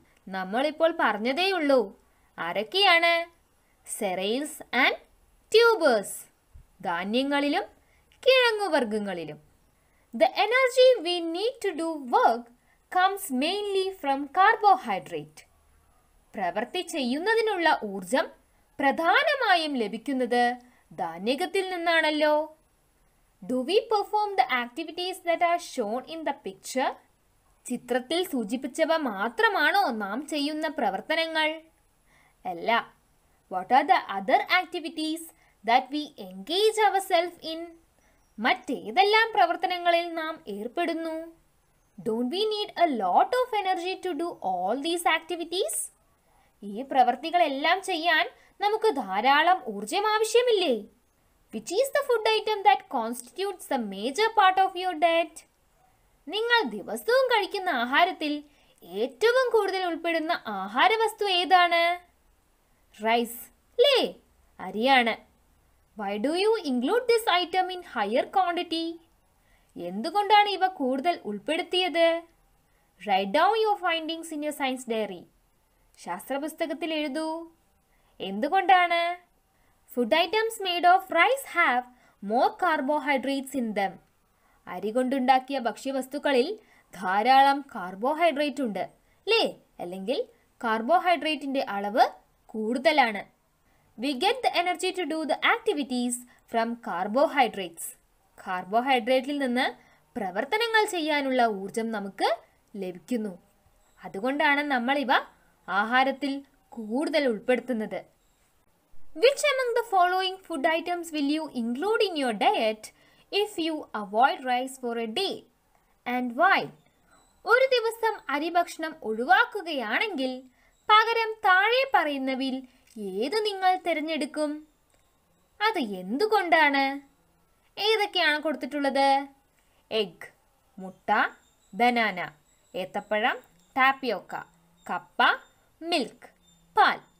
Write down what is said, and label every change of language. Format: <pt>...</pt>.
<ml>നമ്മളിപ്പോൾ പറഞ്ഞതേയുള്ളൂ. ആരൊക്കെയാണ്?</ml> <en>cereals and tubers,</en> <ml>ധാന്യങ്ങളിലും കിഴങ്ങുവർഗ്ഗങ്ങളിലും.</ml> <en>The energy we need to do work comes mainly from carbohydrate.</en> <ml>പ്രവൃത്തി ചെയ്യുന്നതിനുള്ള ഊർജം പ്രധാനമായും ലഭിക്കുന്നത് ധാന്യകത്തിൽ നിന്നാണല്ലോ.</ml> <en>Do we perform the activities that are shown in the picture?</en> <ml>ചിത്രത്തിൽ സൂചിപ്പിച്ചവ മാത്രമാണോ നാം ചെയ്യുന്ന പ്രവർത്തനങ്ങൾ? അല്ല.</ml> <en>What are the other activities that we engage ourselves in?</en> <ml>മറ്റേതെല്ലാം പ്രവർത്തനങ്ങളിൽ നാം ഏർപ്പെടുന്നു?</ml> <en>Don't we need a lot of energy to do all these activities?</en> <ml>ഈ പ്രവർത്തികളെല്ലാം ചെയ്യാൻ നമുക്ക് ധാരാളം ഊർജം ആവശ്യമില്ലേ?</ml> <en>Which is the food item that constitutes the major part of your diet?</en> <ml>നിങ്ങൾ ദിവസവും കഴിക്കുന്ന ആഹാരത്തിൽ ഏറ്റവും കൂടുതൽ ഉൾപ്പെടുന്ന ആഹാരവസ്തു ഏതാണ്? റൈസ് ലേ അരിയാണ്.</ml> <en>Why do you include this item in higher quantity?</en> <ml>എന്തുകൊണ്ടാണ് ഇവ കൂടുതൽ ഉൾപ്പെടുത്തിയത്?</ml> <en>Write down your findings in your science diary.</en> <ml>ശാസ്ത്രപുസ്തകത്തിൽ എഴുതൂ. എന്തുകൊണ്ടാണ്?</ml> <en>Food items made of rice have more carbohydrates in them.</en> <ml>അരി കൊണ്ടുണ്ടാക്കിയ ഭക്ഷ്യവസ്തുക്കളിൽ ധാരാളം കാർബോഹൈഡ്രേറ്റ് ഉണ്ട് അല്ലേ? അല്ലെങ്കിൽ കാർബോഹൈഡ്രേറ്റിന്റെ അളവ് കൂടുതലാണ്.</ml> <en>We get the energy to do the activities from carbohydrates.</en> <ml>കാർബോഹൈഡ്രേറ്റിൽ നിന്ന് പ്രവർത്തനങ്ങൾ ചെയ്യാനുള്ള ഊർജം നമുക്ക് ലഭിക്കുന്നു. അതുകൊണ്ടാണ് നമ്മൾ ഇവ ആഹാരത്തിൽ കൂടുതൽ ഉൾപ്പെടുത്തുന്നത്.</ml> <en>Which among the following food items will you include in your diet if you avoid rice for a day? And why?</en> <ml>ഒരു ദിവസം അരി ഭക്ഷണം ഒഴിവാക്കുകയാണെങ്കിൽ പകരം താഴെ പറയുന്നവയിൽ ഏത് നിങ്ങൾ തിരഞ്ഞെടുക്കും? അത് എന്തുകൊണ്ടാണ്? ഏതൊക്കെയാണ് കൊടുത്തിട്ടുള്ളത്? എഗ്, മുട്ട, ബനാന, ഏത്തപ്പഴം, ടാപ്പിയോക്ക, കപ്പ, മിൽക്ക്, പാൽ.</ml>